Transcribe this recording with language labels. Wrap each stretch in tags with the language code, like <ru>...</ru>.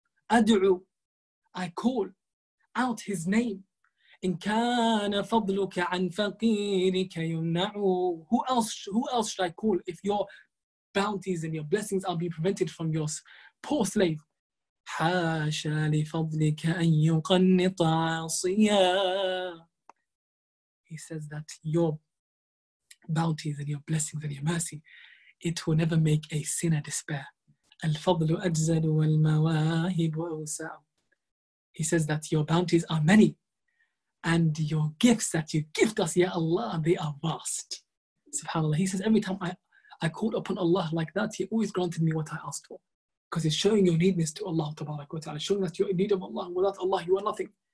<ar>أَدْعُو,</ar> <en>I call out his name.</en> <ar>إِنْ كَانَ فَضْلُكَ عَنْ فَقِيرِكَ يُمْنَعُ.</ar> <en>Who else should I call if you're bounties and your blessings are being prevented from your poor slave.</en> <ar>حاشا لفضلك أن يقنط عاصيا.</ar> <en>He says that your bounties and your blessings and your mercy, it will never make a sinner despair.</en> <ar>الفضل أجزل والمواهب أوسع.</ar> <en>He says that your bounties are many and your gifts that you gift us, Ya Allah, they are vast. SubhanAllah. He says every time I called upon Allah like that, He always granted me what I asked for. Because it's showing your needness to Allah, tabarak wa ta'ala. Showing that you're in need of Allah. Without Allah, you are nothing.</en>